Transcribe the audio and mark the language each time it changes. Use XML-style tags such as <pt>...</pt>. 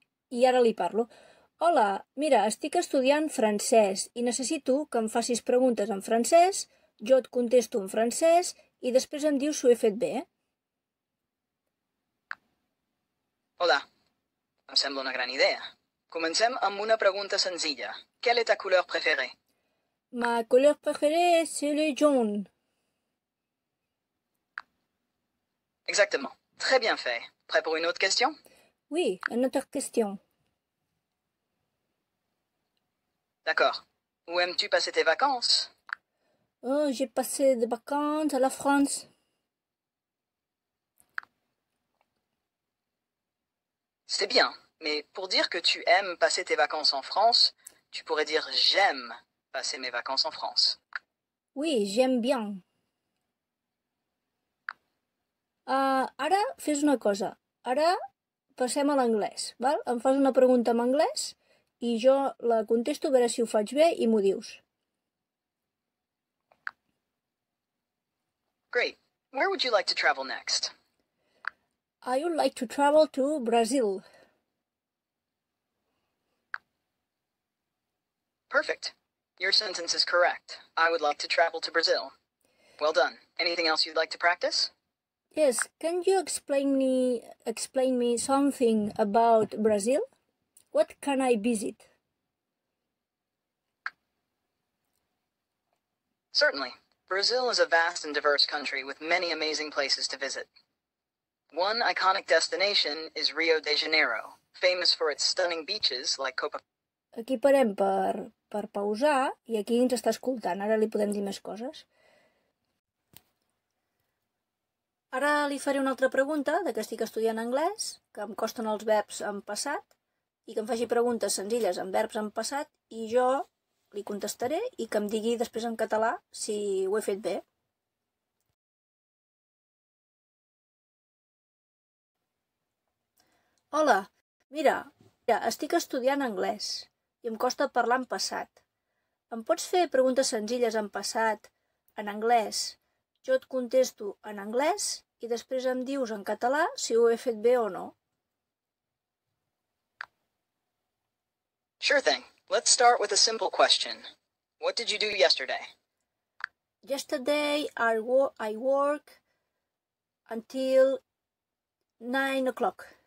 <ca>I ara li parlo. Hola, mira, estic estudiant francès i necessito que em facis preguntes en francès, jo et contesto en francès i després em dius si ho he fet bé. Hola, em sembla una gran idea. Comencem amb una pregunta senzilla.</ca> <fr>Quelle est ta couleur préférée? Ma couleur préférée, c'est le jaune. Exactement. Très bien fait. Prêt pour une autre question? Oui, une autre question. D'accord. Où aimes-tu passer tes vacances? Oh, j'ai passé des vacances à la France. C'est bien, mais pour dire que tu aimes passer tes vacances en France, tu pourrais dire j'aime passer mes vacances en France. Oui, j'aime bien.</fr> <ca>Ara, fes una cosa. Ara, passem a l'anglès, val? Em fas una pregunta en anglès i jo la contesto, a veure si ho faig bé i m'ho dius.</ca> <en>Great. Where would you like to travel next? I would like to travel to Brazil. Perfect. Your sentence is correct. I would love to travel to Brazil. Well done. Anything else you'd like to practice? Yes, can you explain me something about Brazil? What can I visit? Certainly. Brazil is a vast and diverse country with many amazing places to visit. One iconic destination is Rio de Janeiro, famous for its stunning beaches like Copacabana.</en> <ca>Aquí parem per pausar i aquí ens està escoltant. Ara li podem dir més coses. Ara li faré una altra pregunta, de que estic estudiant anglès, que em costen els verbs en passat, i que em faci preguntes senzilles amb verbs en passat, i jo li contestaré i que em digui després en català si ho he fet bé. Hola, mira, estic estudiant anglès i em costa parlar en passat. Em pots fer preguntes senzilles en passat, en anglès? Jo et contesto en anglès i després em dius en català si ho he fet bé o no.</ca> <en>Sure thing. Let's start with a simple question. What did you do yesterday? Yesterday I work until 9 o'clock.</en>